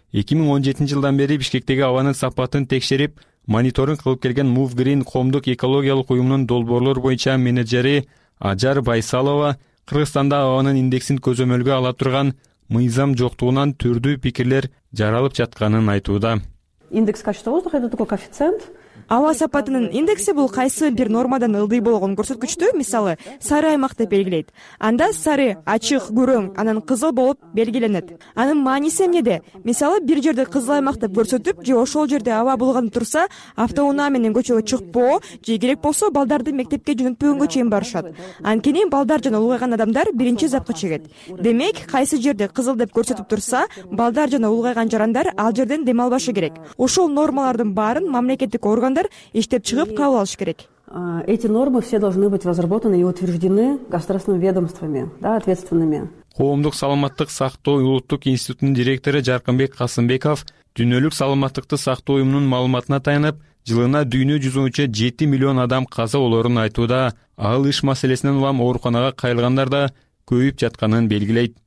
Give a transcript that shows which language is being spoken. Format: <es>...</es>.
<ky>2017 жылдан бери Бишкектеги абанын сапатын текшерип, мониторинг кылып келген Move Green коомдук экологиялык уюмунун долбоорлор боюнча менеджери Ажар Байсалова Кыргызстанда абанын индексин көзөмөлгө ала турган мыйзам жоктугунан түрдүү пикирлер жаралып жатканын айтууда.</ky> <ru>Индекс качества воздуха это такой коэффициент.</ru> <ky>Аба сапатынын индекси бул кайсы бир нормадан ылдый болгон көрсөткүчтү, мисалы, сары аймакты белгилейт. Анда сары, ачык, күрөң, анан кызыл болуп белгиленет. Анын мааниси эмнеде? Мисалы, бир жерде кызыл аймак деп көрсөтүп, же ошол жерде аба булганып турса, автоунаа менен көчөгө чыкпоо, же керек болсо балдарды мектепке жөнөтпөгөнгө чейин барышат. Анткени балдар жана улгайган адамдар биринчи запкы чегет. Демек, кайсы жерде кызыл деп көрсөтүп турса, балдар жана улгайган жарандар ал жерден дем албашы керек. Ошол нормалардын баарын мамлекеттик орган иштеп чыгып кабыл алыш керек.</ky> <ru>Эти нормы все должны быть разработаны и утверждены государственными ведомствами, да, ответственными.</ru> <ky>Коомдук саламаттык сактоо улуттук институтунун директору Жаркынбек Касымбеков дүйнөлүк саламаттыкты сактоо уюмунун маалыматына таянып, жылына дүйнө жүзүнчө 7 миллион адам каза болорун айтууда, ал иш маселесинен улам ооруканага кайрылгандар да көбөйүп жатканын белгилейт.</ky>